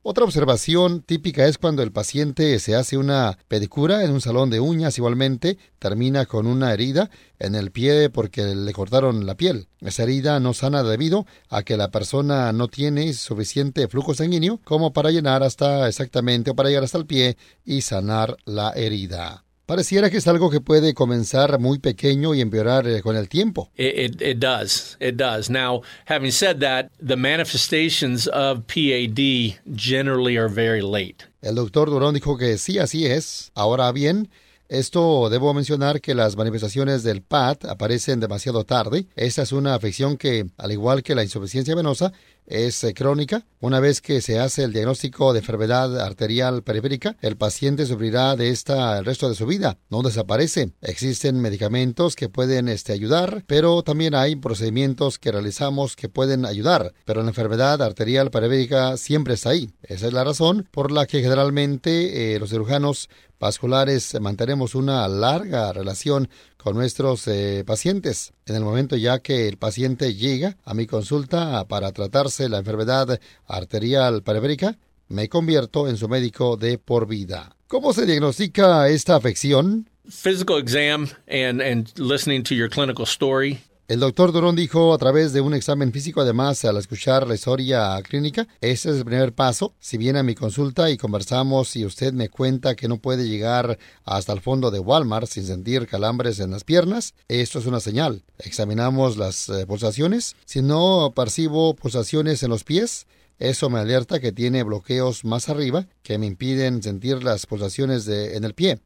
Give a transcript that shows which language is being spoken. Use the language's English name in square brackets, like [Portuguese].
[Spanish] Otra observación típica es cuando el paciente se hace una pedicura en un salón de uñas, igualmente termina con una herida en el pie porque le cortaron la piel. Esa herida no sana debido a que la persona no tiene suficiente flujo sanguíneo como para llenar hasta exactamente o para llegar hasta el pie y sanar la herida. Pareciera que es algo que puede comenzar muy pequeño y empeorar con el tiempo. [English] It does. Now, having said that, the manifestations of PAD generally are very late. [Spanish] El doctor Durón dijo que sí, así es. Ahora bien, esto debo mencionar que las manifestaciones del PAD aparecen demasiado tarde. Esta es una afección que, al igual que la insuficiencia venosa, es crónica. Una vez que se hace el diagnóstico de enfermedad arterial periférica, el paciente sufrirá de esta el resto de su vida. No desaparece. Existen medicamentos que pueden ayudar, pero también hay procedimientos que realizamos que pueden ayudar. Pero la enfermedad arterial periférica siempre está ahí. Esa es la razón por la que generalmente los cirujanos vasculares mantenemos una larga relación con nuestros pacientes. En el momento ya que el paciente llega a mi consulta para tratarse la enfermedad arterial periférica, me convierto en su médico de por vida. ¿Cómo se diagnostica esta afección? [English] Physical exam and listening to your clinical story. [Spanish] El doctor Durón dijo a través de un examen físico, además, al escuchar la historia clínica, ese es el primer paso. Si viene a mi consulta y conversamos y usted me cuenta que no puede llegar hasta el fondo de Walmart sin sentir calambres en las piernas, esto es una señal. Examinamos las pulsaciones. Si no percibo pulsaciones en los pies, eso me alerta que tiene bloqueos más arriba que me impiden sentir las pulsaciones en el pie.